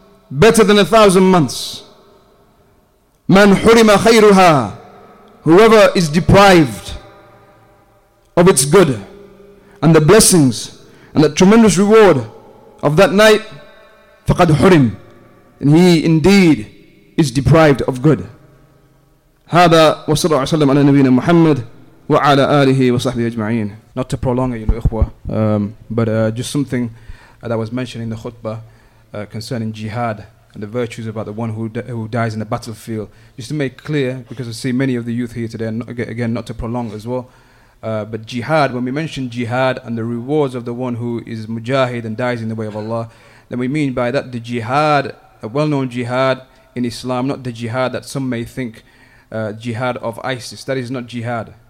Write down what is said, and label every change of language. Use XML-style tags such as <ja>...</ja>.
<en>Better than 1,000 months.</en> <ar>Man hurima khayruha.</ar> <en>Whoever is deprived of its good and the blessings and the tremendous reward of that night,</en> <ar>faqad hurim.</ar> <en>And he indeed is deprived of good.</en> <ar>هذا وصلى الله عليه وسلم على نبينا محمد وعلى آله وصحبه أجمعين.</ar> <en>Not to prolong, you know, إخوة, just something that was mentioned in the khutbah concerning jihad and the virtues about the one who dies in the battlefield. Just to make clear, because I see many of the youth here today, and again, not to prolong as well, but jihad, when we mention jihad and the rewards of the one who is mujahid and dies in the way of Allah, then we mean by that the jihad, a well-known jihad in Islam, not the jihad that some may think, jihad of ISIS. That is not jihad.</en>